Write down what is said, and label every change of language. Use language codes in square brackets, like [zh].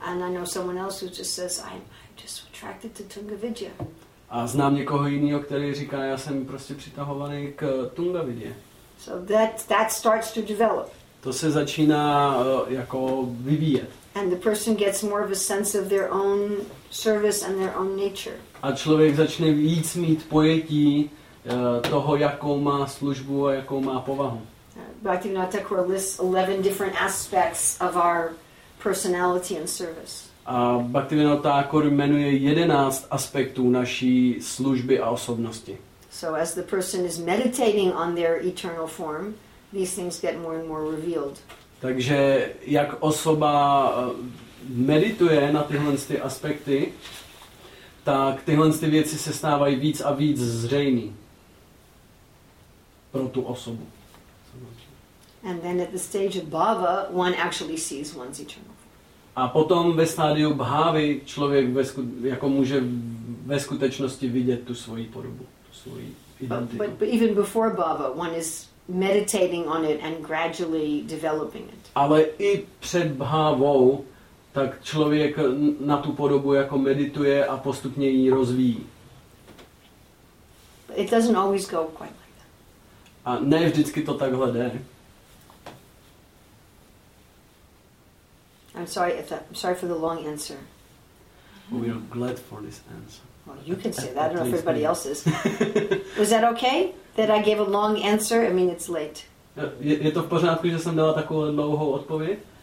[en] And I know someone else who just says, I'm just attracted to Tungavidya. [cs] A znám někoho jiného, který říká, já jsem prostě přitahovaný k Tungavidě. [en] So that starts to develop. [cs] To se začíná jako vyvíjet. [en] And the person gets more of a sense of their own service and their own nature. [cs] A člověk začne víc mít pojetí toho, jakou má službu a jakou má povahu. [en] Bhaktivinoda Thakura lists 11 different aspects of our personality and service. [cs] A Bhaktivinoda Thakura jmenuje 11 aspektů naší služby a osobnosti. [en] So as the person is meditating on their eternal form, these things get more and more revealed. [cs] Takže jak osoba medituje na tyhle aspekty, tak tyhle věci se stávají víc a víc zřejmý pro tu osobu. [en] And then at the stage of bhava, one actually sees one's eternal form. [cs] A potom ve stádiu bhávy člověk jako může ve skutečnosti vidět tu svoji podobu, tu svoji identitu. [en] But even before bhava, one is meditating on it and gradually developing it. [cs] Ale i před bhávou tak člověk na tu podobu jako medituje a postupně ji rozvíjí. [en] It doesn't always go quite like that. [cs] A ne vždycky to takhle jde. [en] I'm sorry for the long answer. Mm-hmm. We are glad for this answer. Well, you can say that. I don't know if everybody else is. Was that okay? That I gave a long answer? I mean, it's late. [cs] Je to v pořádku, že jsem dala takovou dlouhou odpověď?